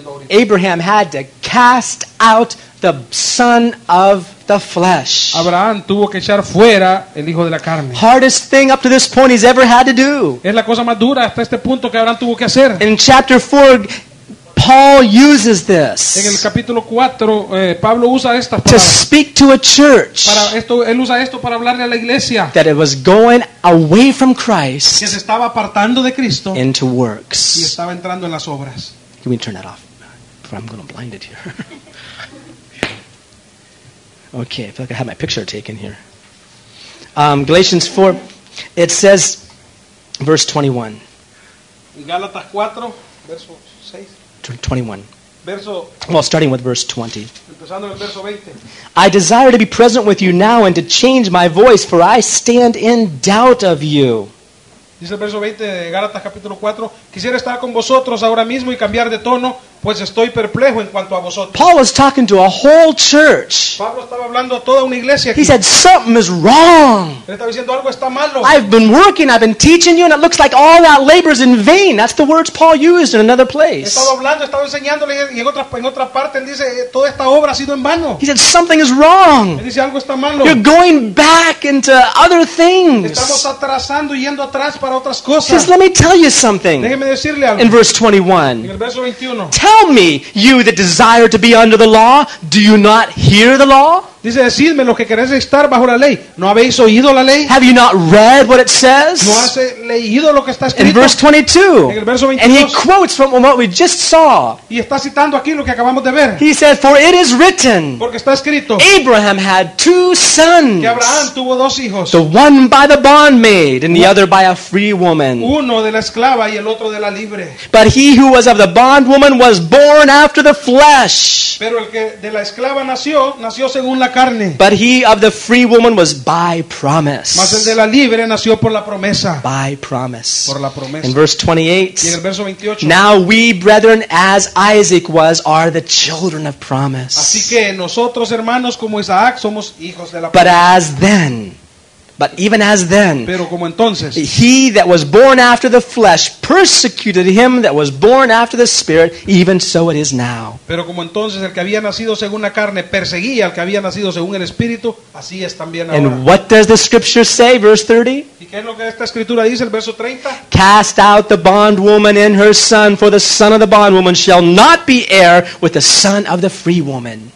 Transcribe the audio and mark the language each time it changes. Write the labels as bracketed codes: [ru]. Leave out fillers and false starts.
[en] Abraham had to cast out the son of the flesh. [es] Abraham tuvo que echar fuera el hijo de la carne. [en] Hardest thing up to this point he's ever had to do. [es] Es la cosa más dura hasta este punto que Abraham tuvo que hacer. [en] In chapter 4, Paul uses this [es] en el capítulo 4, Pablo usa esta [en] to speak to a church [es] para esto, él usa esto para hablarle a la iglesia, [en] that it was going away from Christ, [es] que se estaba apartando de Cristo, [en] into works. [es] Y estaba entrando en las obras. [en] Can we turn that off? I'm going to blind it here. Okay, I feel like I have my picture taken here. Galatians 4, it says, verse 21. [es] Galatas 4, verso 6. [en] 21. Well, starting with verse 20. [es] Empezando el verso 20. [en] I desire to be present with you now and to change my voice, for I stand in doubt of you. [es] Dice el verso 20 de Gálatas capítulo 4. Quisiera estar con vosotros ahora mismo y cambiar de tono, pues estoy perplejo en cuanto a vosotros. [en] Paul was talking to a whole church. [es] Pablo estaba hablando a toda una iglesia aquí. [en] He said, something is wrong. [es] Él estaba diciendo, algo está malo. [en] I've been working, I've been teaching you, and it looks like all that labor is in vain. That's the words Paul used in another place. [es] Estaba hablando, estaba enseñándole, y en otra parte él dice, toda esta obra ha sido en vano. [en] He said, something is wrong. [es] Él dice, algo está malo. [en] You're going back into other things. [es] Estamos atrasando, yendo atrás para otras cosas. [en] He says, let me tell you something. [es] Déjeme decirle algo. [en] In verse 21. [es] En el verso 21. [en] Tell me, you that desire to be under the law, do you not hear the law? [es] Dice, decidme los que queréis estar bajo la ley. ¿No habéis oído la ley? [en] Have you not read what it says? [es] ¿No has leído lo que está escrito? [en] In verse 22. [es] En el verso 22. [en] And he quotes from what we just saw. [es] Y está citando aquí lo que acabamos de ver. [en] He said, for it is written. [es] Porque está escrito. [en] Abraham had two sons. [es] Que Abraham tuvo dos hijos. [en] The one by the bondmaid and the other by a free woman. [es] Uno de la esclava y el otro de la libre. [en] But he who was of the bondwoman was born after the flesh. [es] Pero el que de la esclava nació según la carne. [en] But he of the free woman was by promise. [es] Mas el de la libre nació por la promesa. [en] By promise. [es] Por la promesa. [en] In verse 28, [es] y en el verso 28. [en] Now we brethren, as Isaac was, are the children of promise. [es] Así que nosotros hermanos como Isaac somos hijos de la promesa. [en] But as then. But even as then, [es] pero como entonces, [en] he that was born after the flesh persecuted him that was born after the spirit, even so it is now. [es] Pero como entonces el que había nacido según la carne perseguía al que había nacido según el espíritu, así es también ahora. [en] And what does the scripture say, verse 30? [es] ¿Y qué es lo que esta escritura dice, el verso 30? [en] Cast out the bondwoman and her son, for the son of the bondwoman shall not be heir with the son of the free woman.